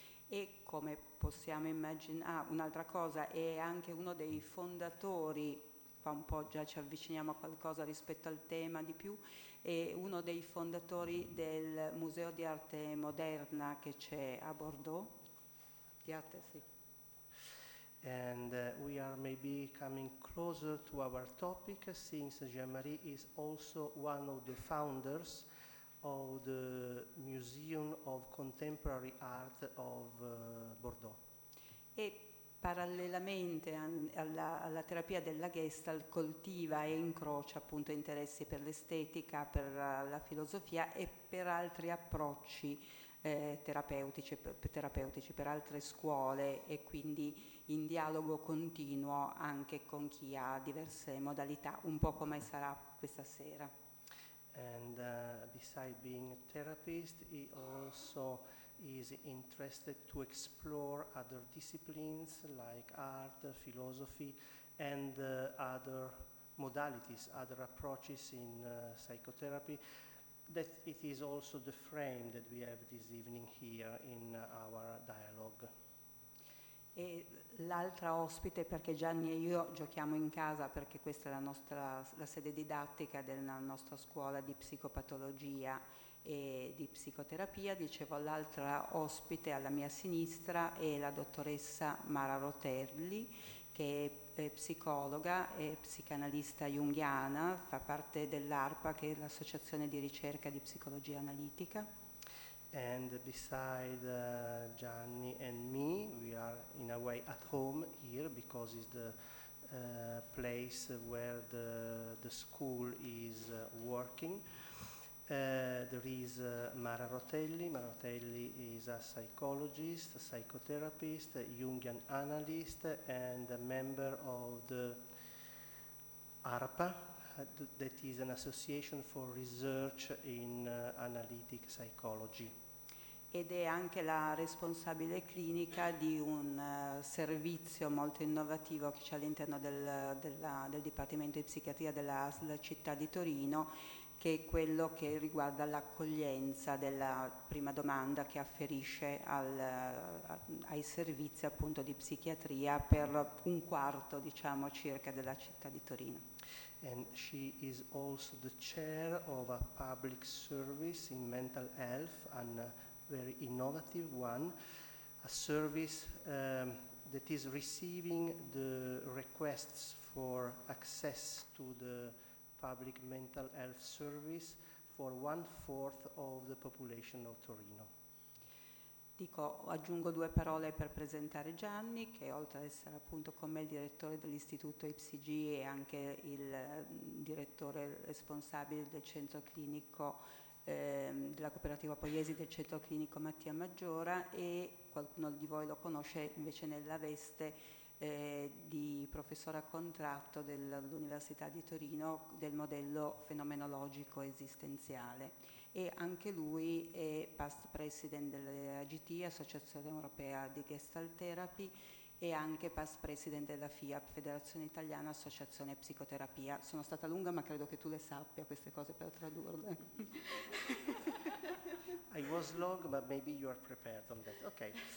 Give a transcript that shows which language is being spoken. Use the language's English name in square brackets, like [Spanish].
[Italian] E come possiamo immaginare, un'altra cosa, è anche uno dei fondatori, qua un po' già ci avviciniamo a qualcosa rispetto al tema di più, è uno dei fondatori del Museo di Arte Moderna che c'è a Bordeaux. [English] And we are maybe coming closer to our topic since Jean-Marie is also one of the founders of the Museum of Contemporary Art of Bordeaux. [Italian] E parallelamente alla terapia della Gestalt coltiva e incrocia appunto interessi per l'estetica, per la filosofia e per altri approcci terapeutici, per altre scuole, e quindi in dialogo continuo anche con chi ha diverse modalità, un po' come sarà questa sera. [English] And besides being a therapist, he also is interested to explore other disciplines like art, philosophy, and other modalities, other approaches in psychotherapy. That it is also the frame that we have this evening here in our dialogue. [Italian] E l'altra ospite, perché Gianni e io giochiamo in casa, perché questa è la sede didattica della nostra scuola di psicopatologia e di psicoterapia, dicevo, l'altra ospite alla mia sinistra è la dottoressa Mara Rotelli, che è psicologa e psicanalista junghiana, fa parte dell'ARPA, che è l'associazione di ricerca di psicologia analitica. [English] And beside Gianni and me, we are in a way at home here because it's the place where the school is working. There is Mara Rotelli. Mara Rotelli is a psychologist, a psychotherapist, a Jungian analyst, and a member of the ARPA, that is an association for research in analytic psychology. [Italian] Ed è anche la responsabile clinica di un servizio molto innovativo che c'è all'interno del Dipartimento di Psichiatria della ASL Città di Torino, che è quello che riguarda l'accoglienza della prima domanda che afferisce ai servizi appunto di psichiatria per un quarto, diciamo, circa della città di Torino. [English] And she is also the chair of a public service in mental health, and very innovative one, a service that is receiving the requests for access to the public mental health service for 1/4 of the population of Torino. [Italian] Dico, aggiungo due parole per presentare Gianni, che oltre ad essere appunto con me il direttore dell'Istituto IPCG e anche il direttore responsabile del centro clinico della cooperativa Poiesi, del centro clinico Mattia Maggiora, e qualcuno di voi lo conosce invece nella veste di professore a contratto dell'Università di Torino del modello fenomenologico esistenziale, e anche lui è past president dell'AGT, Associazione Europea di Gestalt Therapy, e anche past president della FIAP, Federazione Italiana Associazione Psicoterapia. Sono stata lunga, ma credo che tu le sappia queste cose per tradurle. [English] I was long, but maybe you are prepared on that. Okay.